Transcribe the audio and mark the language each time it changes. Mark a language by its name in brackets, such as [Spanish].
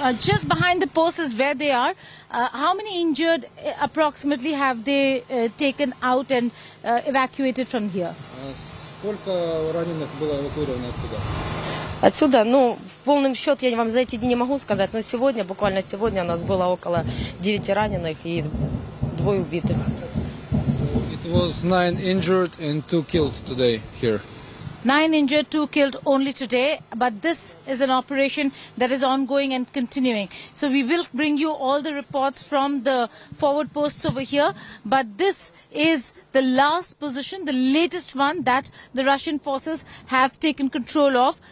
[English] Just behind the post is where they are. How many injured approximately have they taken out and evacuated from here? [Russian] Сколько раненых было эвакуировано отсюда? Отсюда, ну, в полном счете я вам за эти дни не могу сказать, но сегодня, буквально сегодня, у нас было около 9 раненых и 2 убитых. [English] It was 9 injured and 2 killed today here. 9 injured, 2 killed only today, but this is an operation that is ongoing and continuing. So we will bring you all the reports from the forward posts over here, but this is the last position, the latest one that the Russian forces have taken control of.